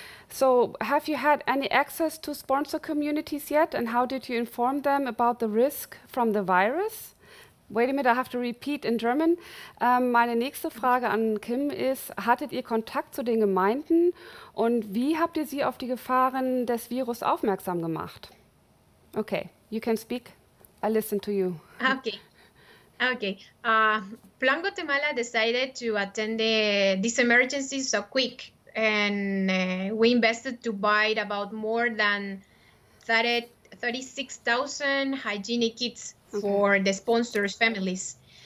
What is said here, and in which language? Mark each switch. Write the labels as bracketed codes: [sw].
[en] So have you had any access to sponsor communities yet, and how did you inform them about the risk from the virus? Wait a minute, I have to repeat in German. [de] Meine nächste Frage an Kim ist, hattet ihr Kontakt zu den Gemeinden und wie habt ihr sie auf die Gefahren des Virus aufmerksam gemacht? [en] Okay, you can speak. I listen to you. Okay. Plan Guatemala decided to attend this emergency so quick, and we invested to buy about more than 36,000 hygienic kits for the sponsors' families.